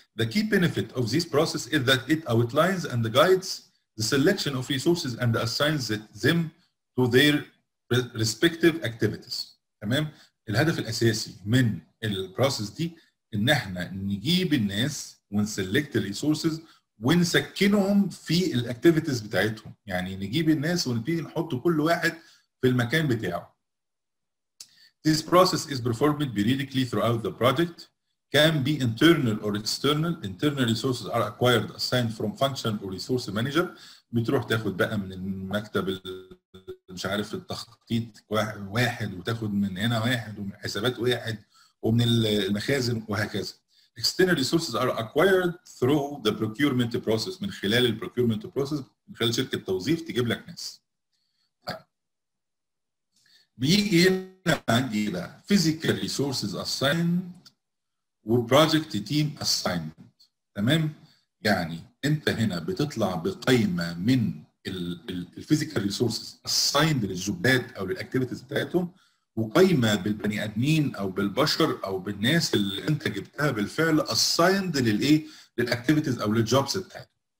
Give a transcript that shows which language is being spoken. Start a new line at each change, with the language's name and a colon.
English: The key benefit of this process is that it outlines and guides the selection of resources and assigns them to their respective activities.
Arabic: تمام. الهدف الاساسي من البروسيس دي ان احنا نجيب الناس ونسلكت الريسورسز ونسكنهم في الاكتيفيتيز بتاعتهم, يعني نجيب الناس ونبتدي نحط كل واحد في المكان بتاعه.
English: This process is performed periodically throughout the project, can be internal or external. Internal resources are acquired, assigned from function or resource manager.
Arabic: بتروح تاخد بقى من المكتب مش عارف التخطيط واحد وتاخد من هنا واحد ومن حسابات واحد ومن المخازن وهكذا.
English: External resources are acquired through the procurement process.
Arabic: من خلال ال procurement process من خلال شركة توظيف تجيب لك ناس. بيجي هنا عندي بقى
English: physical resources assigned وproject team assigned.
Arabic: تمام؟ يعني انت هنا بتطلع بقيمة من ال
English: physical resources assigned
Arabic: للجوبات او للactivities بتاعتهم وقيمة بالبني ادمين او بالبشر او بالناس اللي انت جبتها بالفعل assigned للايه؟ للactivities او للjobs بتاعتهم.